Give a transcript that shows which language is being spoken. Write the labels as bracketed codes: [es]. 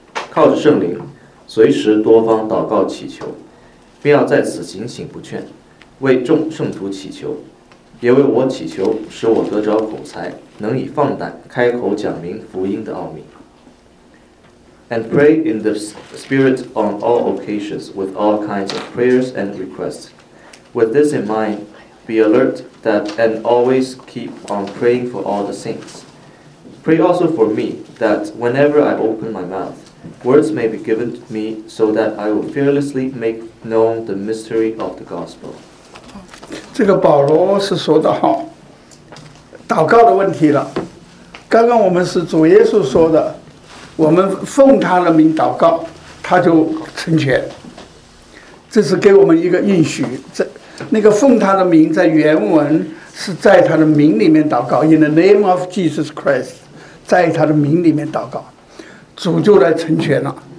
[zh] 靠着圣灵，随时多方祷告祈求，并要在此警醒不倦，为众圣徒祈求。也为我祈求，使我得着口才，能以放胆开口讲明福音的奥秘。 [en] And pray in the Spirit on all occasions with all kinds of prayers and requests. With this in mind, be alert that and always keep on praying for all the saints. Pray also for me, that whenever I open my mouth, words may be given to me so that I will fearlessly make known the mystery of the gospel. [zh] 这个保罗是说的哈，祷告的问题了。刚刚我们是主耶稣说的，我们奉他的名祷告，他就成全。这是给我们一个应许。这那个奉他的名，在原文是在他的名里面祷告 ， [en] in the name of Jesus Christ， [zh] 在他的名里面祷告，主就来成全了。